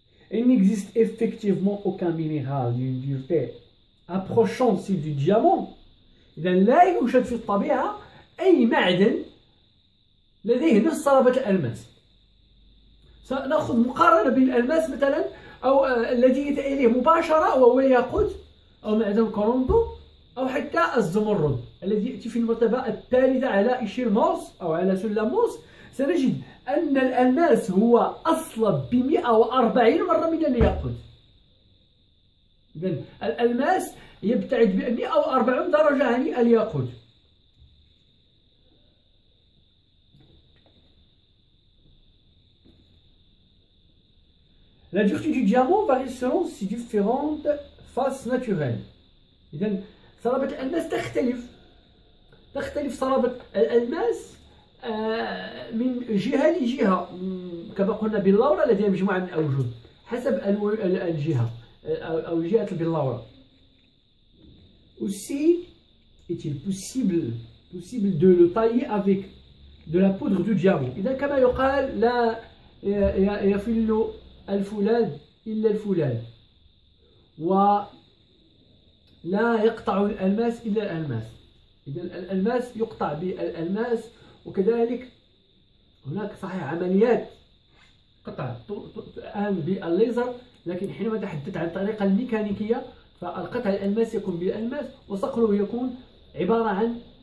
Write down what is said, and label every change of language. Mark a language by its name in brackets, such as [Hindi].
[French] Il n'existe effectivement aucun minéral d'une dureté approchant celle du diamant. [Arabic] إذن لا يوجد في الطبيعة أي معدن لديه نفس صلابة الألماس. سنأخذ مقارنة بين الألماس مثلا أو الذي يأتي إليه مباشرة وهو الياقوت أو معدن كورومبو أو حتى الزمرد الذي يأتي في المرتبة الثالثة على إشير موس أو على سلم موس. سنجد أن الألماس هو أصلب ب 140 مرة من الياقوت. إذن الألماس يبتعد ب 140 درجة عن الياقوت. [French] La dureté du diamant varie selon ses différentes faces naturelles. [Arabic] إذن صلابة الألماس تختلف. تختلف صلابة الألماس من جهة لجهة، كما قلنا باللورة لديها مجموعة من الأوجه حسب الجهة أو جهة باللورة. [French] Aussi est-il possible de le tailler avec de la poudre du diamant. [Arabic] إذا كما يقال لا يفل الفولاذ إلا الفولاذ، ولا يقطع الألماس إلا الألماس. إذا الألماس يقطع بالألماس، وكذلك هناك صحيح عمليات قطع الآن بالليزر، لكن حينما تحدث عن الطريقة الميكانيكية فالقطع الألماس يكون بالألماس وصقله يكون عبارة عن